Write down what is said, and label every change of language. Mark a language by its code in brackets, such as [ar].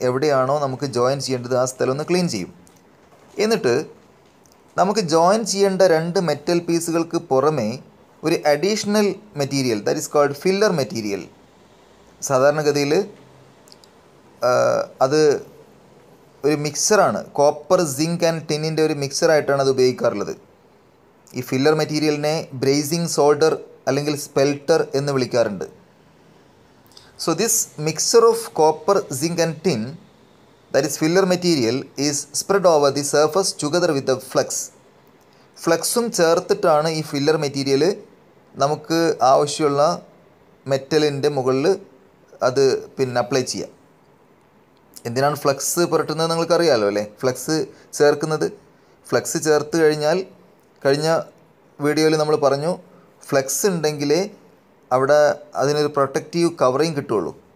[ml] എവിടെയാണോ നമുക്ക് ജോയിൻ ചെയ്യേണ്ടത് ആ സ്ഥലം ഒന്ന് ക്ലീൻ ചെയ്യും. എന്നിട്ട് നമുക്ക് ജോയിൻ ചെയ്യേണ്ട രണ്ട് മെറ്റൽ പീസുകൾക്ക് പുറമെ ഒരു additional material, [en] that is called [ml] filler material, സാധാരണഗതിയിൽ അത് ഒരു മിക്സറാണ്, കോപ്പർ സിങ്ക് ആൻഡ് ടിന്നിൻ്റെ ഒരു മിക്സറായിട്ടാണ് അത് ഉപയോഗിക്കാറുള്ളത്. ഈ ഫില്ലർ മെറ്റീരിയലിനെ ബ്രേസിംഗ് സോൾഡർ അല്ലെങ്കിൽ സ്പെൽട്ടർ എന്ന് വിളിക്കാറുണ്ട്. [en] So this mixture of copper zinc and tin, that is filler material, is spread over the surface together with the flux. [ml] ഫ്ലക്സും ചേർത്തിട്ടാണ് ഈ ഫില്ലർ മെറ്റീരിയൽ നമുക്ക് ആവശ്യമുള്ള മെറ്റലിൻ്റെ മുകളിൽ അത് പിന്നെ അപ്ലൈ ചെയ്യുക. എന്തിനാണ് ഫ്ലക്സ് പുരട്ടുന്നത് നിങ്ങൾക്കറിയാലോ അല്ലേ? ഫ്ലക്സ് ചേർക്കുന്നത്, ഫ്ലക്സ് ചേർത്ത് കഴിഞ്ഞാൽ, കഴിഞ്ഞ വീഡിയോയിൽ നമ്മൾ പറഞ്ഞു ഫ്ലക്സ് ഉണ്ടെങ്കിലേ അവിടെ അതിനൊരു പ്രൊട്ടക്റ്റീവ് കവറിങ് കിട്ടുള്ളൂ.